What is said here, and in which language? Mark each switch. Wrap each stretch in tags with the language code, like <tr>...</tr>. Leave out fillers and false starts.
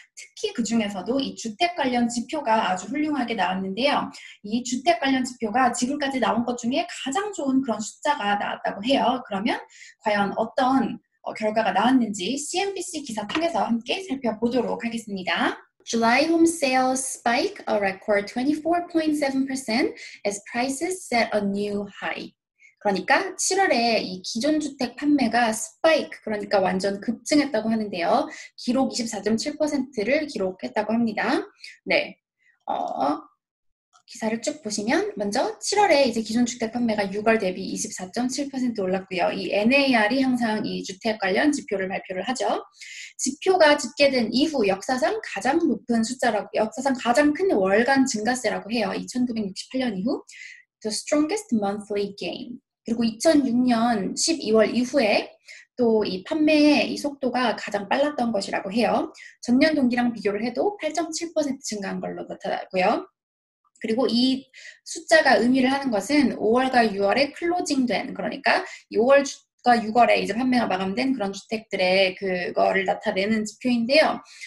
<ko>특히 그중에서도 이 주택 관련 지표가 아주 훌륭하게 나왔는데요. 이 주택 관련 지표가 지금까지 나온 것 중에 가장 좋은 그런 숫자가 나왔다고 해요. 그러면 과연 어떤 결과가 나왔는지 CNBC 기사 통해서 함께 살펴보도록 하겠습니다.</ko> <en>July home sales spike a record 24.7% as prices set a new high.</en> <ko>그러니까 7월에 이 기존 주택 판매가 spike, 그러니까 완전 급증했다고 하는데요. 기록 24.7%를 기록했다고 합니다. 네. 기사를 쭉 보시면 먼저 7월에 이제 기존 주택 판매가 6월 대비 24.7% 올랐고요. 이 NAR이 항상 이 주택 관련 지표를 발표를 하죠. 지표가 집계된 이후 역사상 가장 높은 숫자라고, 역사상 가장 큰 월간 증가세라고 해요. 1968년 이후</ko> <en>the strongest monthly gain.</en> <ko>그리고 2006년 12월 이후에 또이 판매의 이 속도가 가장 빨랐던 것이라고 해요. 전년 동기랑 비교를 해도 8.7% 증가한 걸로 나타났고요. 그리고 이 숫자가 의미를 하는 것은 5월과 6월에 클로징된, 그러니까 5월과 6월에 이제 판매가 마감된 그런 주택들의 그거를 나타내는 지표인데요.</ko>